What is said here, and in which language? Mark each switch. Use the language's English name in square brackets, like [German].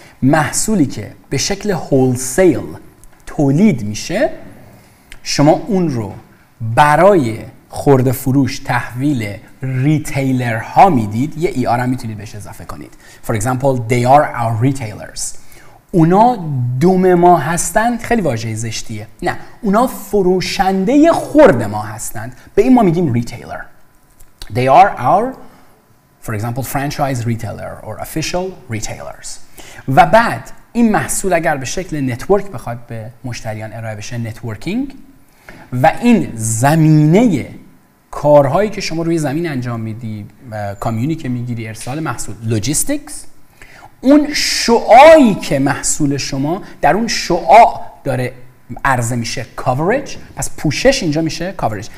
[Persian] محصولی که به شکل هولسیل تولید میشه، شما اون رو برای خرده فروش تحویل ریتیلرها میدید، یه ای آر هم میتونید بهش اضافه کنید. [English] For example, they are our retailers. [Persian] اونا دوم ما هستند، خیلی واژه زشتیه. نه، اونا فروشنده خرد ما هستند. به این ما میگیم ریتیلر. [English] They are our, for example, franchise retailer or official retailers. [Persian] و بعد این محصول اگر به شکل نتورک بخواد به مشتریان ارائه بشه، نتورکینگ، و این زمینه کارهایی که شما روی زمین انجام میدی، کامیونی که میگیری، ارسال محصول، لوجیستیکس، اون شعاعی که محصول شما در اون شعاع داره عرضه میشه کاورج، پس پوشش اینجا میشه کاورج.